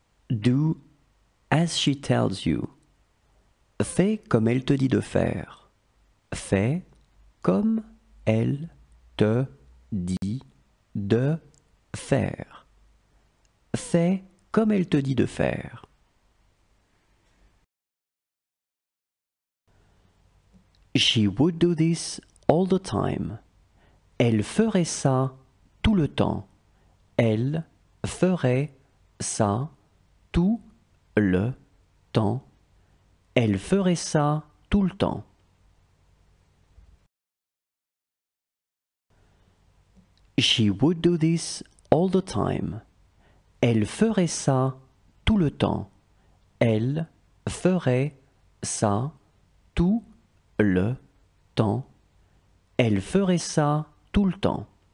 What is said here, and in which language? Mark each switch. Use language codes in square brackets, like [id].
[en] Do as she tells you. [fr] Fais comme elle te dit de faire. Fais comme elle te dit de faire. Fais comme elle te dit de faire. [en] She would do this all the time. [fr] Elle ferait ça tout le temps. Elle ferait ça tout le temps. Elle ferait ça tout le temps. [en] She would do this all the time. [fr] Elle ferait ça tout le temps. Elle ferait ça tout le temps. Elle ferait ça tout le temps.